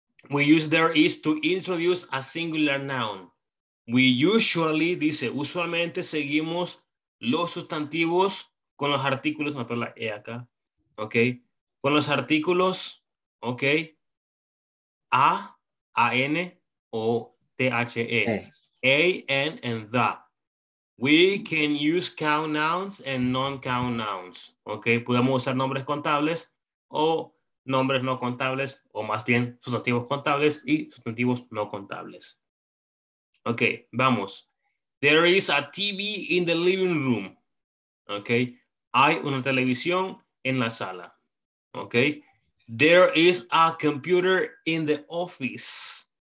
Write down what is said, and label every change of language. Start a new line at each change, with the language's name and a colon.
English: We use there is to introduce a singular noun. We usually,
Spanish: dice, usualmente seguimos los sustantivos con los artículos. Mató la E acá. Okay. Con los artículos. Okay.
English: A, A-N o T-H-E. A-N and the. We can use count nouns and non-count nouns.
Spanish: Okay, podemos usar nombres contables o nombres no contables, o más bien sustantivos contables y sustantivos no contables. Okay, vamos.
English: There is a TV in the living room. Okay,
Spanish: hay una televisión en la sala.
English: Okay, there is a computer in the office.